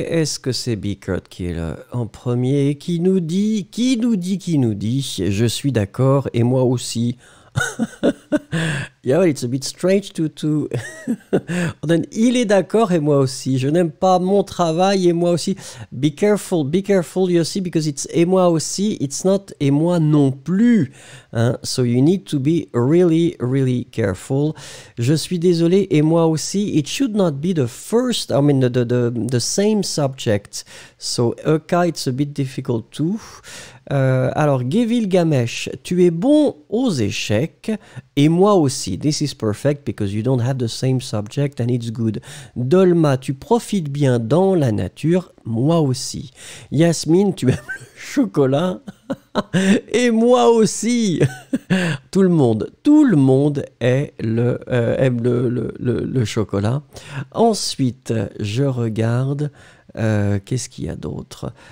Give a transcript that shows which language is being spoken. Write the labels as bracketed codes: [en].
[fr] Est-ce que c'est Bickert qui est là en premier qui nous dit... Qui nous dit... Je suis d'accord, et moi aussi. [en] Yeah, well, it's a bit strange to to. Then [fr] il est d'accord et moi aussi. Je n'aime pas mon travail et moi aussi. [en] Be careful, you see, because it's [fr] et moi aussi. [en] It's not [fr] et moi non plus. [en] Hein? So you need to be really, really careful. [fr] Je suis désolé et moi aussi. [en] It should not be the first. I mean, the same subject. So a cas, it's a bit difficult too. [fr] Alors, Gilgamesh, tu es bon aux échecs et moi aussi. [en] This is perfect because you don't have the same subject and it's good. [fr] Dolma, tu profites bien dans la nature, moi aussi. Yasmine, tu aimes le chocolat et moi aussi. tout le monde est le, aime le chocolat. Ensuite, je regarde... qu'est-ce qu'il y a d'autre?